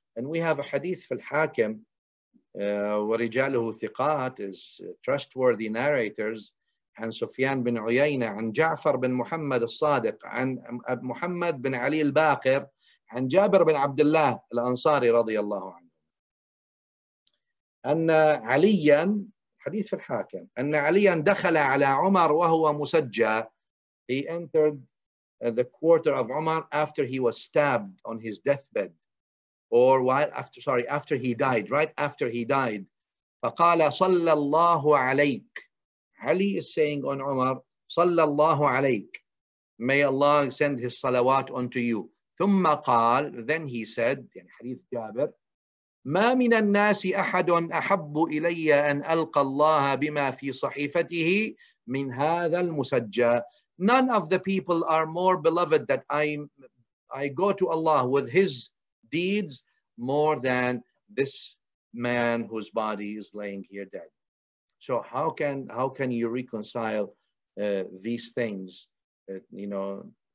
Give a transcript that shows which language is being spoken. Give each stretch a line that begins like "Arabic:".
English: And we have a hadith fil hakim,
Arabic: وَرِجَالُهُ ثِقَات,
English: is trustworthy narrators,
Arabic: عن سفيان بن عيينة, عن جعفر بن محمد الصادق, عن محمد بن علي الباقر, عن جابر بن عبد الله الأنصاري رضي الله عنه. أن علياً, حديث في الحاكم أن عليا دخل على عمر وهو مسجى.
English: He entered the quarter of Umar after he was stabbed on his deathbed, or while after, sorry, after he died, right after he died.
Arabic: فقال صلى الله عليك.
English: Ali is saying on Umar,
Arabic: صلى الله عليك.
English: May Allah send his salawat unto you.
Arabic: ثم قال,
English: then he said,
Arabic: يعني حديث جابر, ما من الناس أحد أحب إلي أن ألقى الله بما في صحيفته من هذا المسجى.
English: None of the people are more beloved that I go to Allah with his deeds more than this man whose body is laying here dead. So how can you reconcile these things? You know,